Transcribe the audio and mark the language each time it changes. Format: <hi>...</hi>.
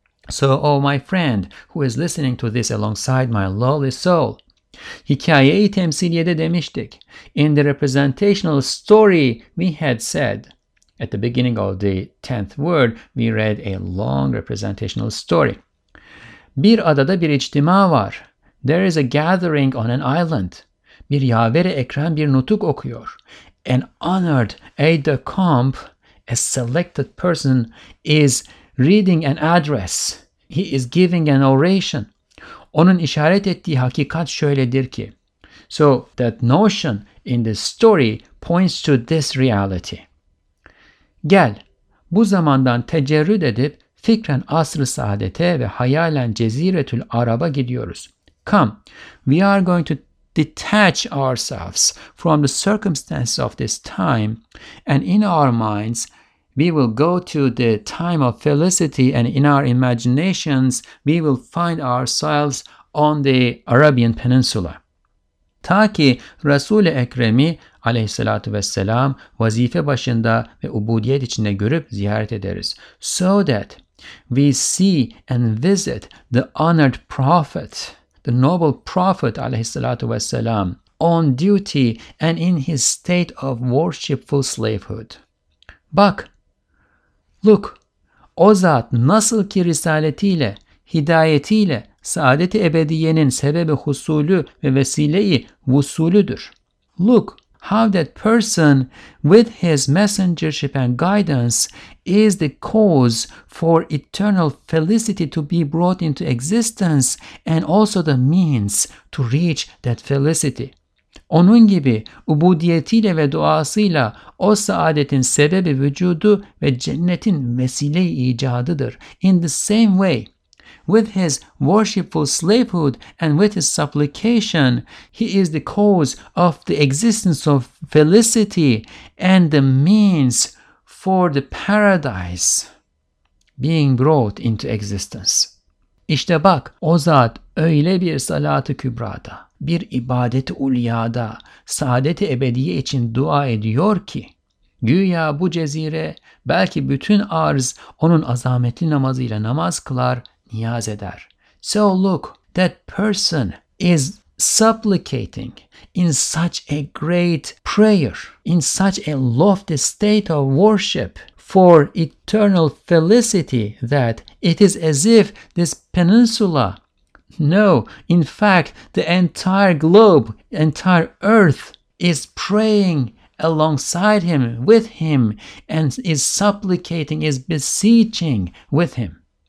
<en>So, oh my friend, who is listening to this alongside my lowly soul,</en> <tr>hikayeyi temsiliyede demiştik.</tr> <en>In the representational story, we had said, at the beginning of the 10th word, we read a long representational story.</en> <tr>Bir adada bir içtima var.</tr> <en>There is a gathering on an island.</en> <tr>Bir yaver-i ekrem bir nutuk okuyor.</tr> <en>An honored aide-de-camp, a selected person, is reading an address. He is giving an oration.</en> <tr>Onun işaret ettiği hakikat şöyledir ki.</tr> <en>So that notion in the story points to this reality.</en> <tr>Gel, bu zamandan tecerrüt edip fikren asr-ı saadete ve hayalen ceziretül araba gidiyoruz.</tr> <en>Come, we are going to detach ourselves from the circumstances of this time, and in our minds we will go to the time of felicity, and in our imaginations we will find ourselves on the Arabian Peninsula.</en> <tr>Ta ki Resul-i Ekrem'i aleyhissalatu vesselam vazife başında ve ubudiyet içinde görüp ziyaret ederiz.</tr> <en>So that we see and visit the honored prophet, the noble prophet alayhi salatu wassalam, on duty and in his state of worshipful slavehood.</en> <tr>Bak,</tr> <en>look,</en> <tr>o zat nasıl ki risaletiyle, hidayetiyle, saadet-i ebediyenin sebebi husulü ve vesile-i vusulüdür.</tr> <en>Look, how that person with his messengership and guidance is the cause for eternal felicity to be brought into existence and also the means to reach that felicity.</en> <tr>Onun gibi ubudiyetiyle ve duasıyla o saadetin sebebi vücudu ve cennetin vesile-i icadıdır.</tr> <en>In the same way, with his worshipful slavehood and with his supplication, he is the cause of the existence of felicity and the means for the paradise being brought into existence.</en> <tr>İşte bak, o zat Öyle bir salat-ı kübrada, bir ibadet-i ulyada, saadet-i ebediye için dua ediyor ki, güya bu cezire, belki bütün arz onun azametli namazıyla namaz kılar, niyaz eder.</tr> <en>So look, that person is supplicating in such a great prayer, in such a lofty state of worship for eternal felicity that it is as if this peninsula, no, in fact, the entire globe, entire earth is praying alongside him, with him, and is supplicating, is beseeching with him.</en>